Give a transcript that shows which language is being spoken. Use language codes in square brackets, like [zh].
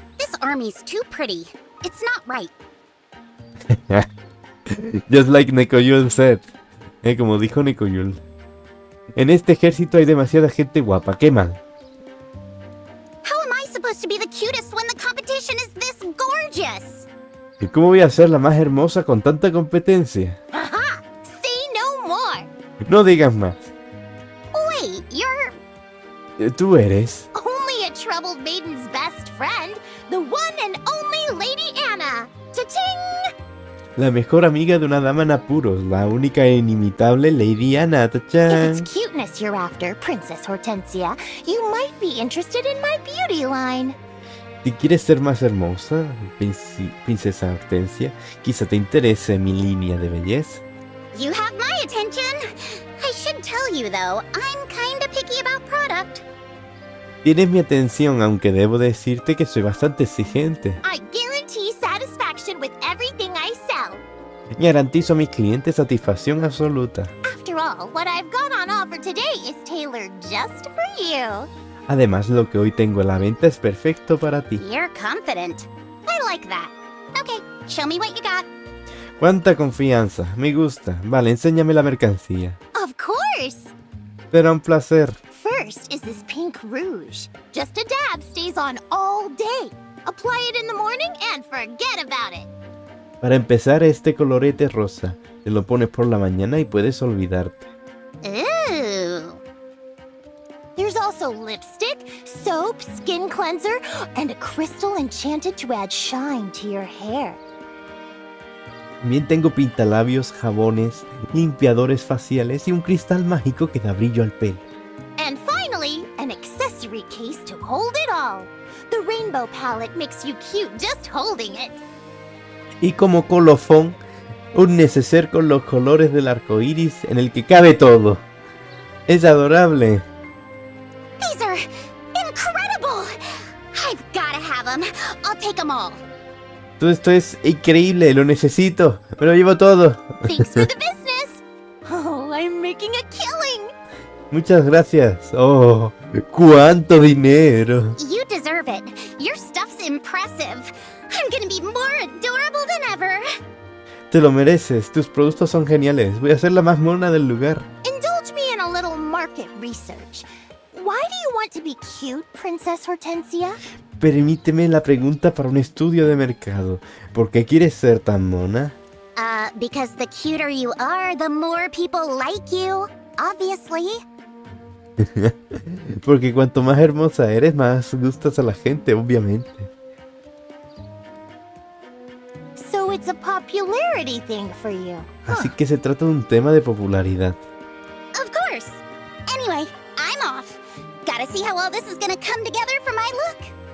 [en] This army's too pretty. It's not right. Just like Nekoyul said. [es] Como dijo Nekoyul. En este ejército hay demasiada gente guapa. ¡Qué mal! [en] How am I supposed to be the cutest when the competition is this gorgeous? [es] ¿Y cómo voy a ser la más hermosa con tanta competencia? [en] Aha! Say no more. [es] No digas más. [en] Wait, you're... [es] Tú eres... [en] Only a troubled maiden's best friend, the one and only Lady Anna. Cha-ching! [es] La mejor amiga de una dama en apuros, la única e inimitable Lady Anna. Ta-chan. [en] If it's cuteness you're after, Princess Hortensia, you might be interested in my beauty line. [es] Si quieres ser más hermosa, Princesa Hortensia, quizá te interese mi línea de belleza. [en] You have my attention. I should tell you though, I'm kinda picky about product. [es] Tienes mi atención, aunque debo decirte que soy bastante exigente. [en] I guarantee satisfaction with everything I sell. [es] Garantizo a mis clientes satisfacción absoluta. [en] After all, what I've got on offer today is tailored just for you. [es] Además, lo que hoy tengo a la venta es perfecto para ti. [en] You're confident. I like that. Okay, show me what you got. [es] ¡Cuánta confianza! Me gusta. Vale, enséñame la mercancía. [en] Of course. [es] Será un placer. [en] First is this pink rouge. Just a dab stays on all day. Apply it in the morning and forget about it. [es] Para empezar, este colorete rosa. Te lo pones por la mañana y puedes olvidarte. Ew. [en] There's also lipstick, soap, skin cleanser, and a crystal enchanted to add shine to your hair. [es] También tengo pintalabios, jabones, limpiadores faciales y un cristal mágico que da brillo al pelo. [en] And finally, an accessory case to hold it all. The rainbow palette makes you cute just holding it. [es] Y como colofón, un neceser con los colores del arco iris en el que cabe todo. Es adorable. [en] These are incredible. I've gotta have them. I'll take them all. [es] Todo esto es increíble, lo necesito. Me lo llevo todo. [en] Thanks for the business. Oh, I'm making a killing. [es] Muchas gracias. Oh, cuánto dinero. [en] You deserve it. Your stuff's impressive. I'm gonna be more adorable than ever. [es] Te lo mereces. Tus productos son geniales. Voy a ser la más mona del lugar. [en] Indulge me in a little market research. Why do you want to be cute, Princess Hortensia? [es] Permíteme la pregunta para un estudio de mercado. ¿Por qué quieres ser tan mona? [en] Because the cuter you are, the more people like you, obviously. [es] Porque cuanto más hermosa eres, más gustas a la gente, obviamente. [en] So it's a popularity thing for you. [es] Así que se trata de un tema de popularidad. [en] Of course. Anyway, I'm off. Gotta see how all this is gonna come together for my look.